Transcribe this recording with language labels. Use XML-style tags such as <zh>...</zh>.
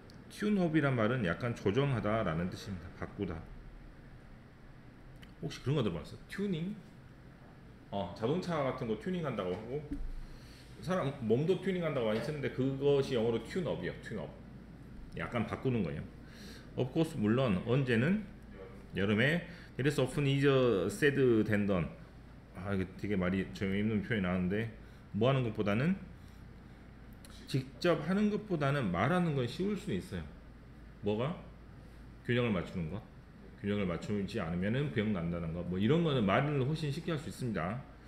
<ko>튠업이란 말은 약간 조정하다 라는 뜻입니다. 바꾸다. 혹시 그런 거 들어봤어? 튜닝? 자동차 같은 거 튜닝 한다고 하고 사람 몸도 튜닝 한다고 많이 쓰는데 그것이 영어로 튠업이요. 튠업. 약간 바꾸는 거예요.</ko> <en>Of course</en> <ko>물론 언제는? 여름에</ko> <en>It is often easier said than done.</en> <ko>이게 되게 말이 재미있는 표현이 나왔는데 뭐 하는 것보다는 직접 하는 것보다는 말하는 건 쉬울 수 있어요. 뭐가? 균형을 맞추는 거. 균형을 맞추지 않으면은 병 난다는 거. 뭐 이런 거는 말을 훨씬 쉽게 할 수 있습니다.</ko>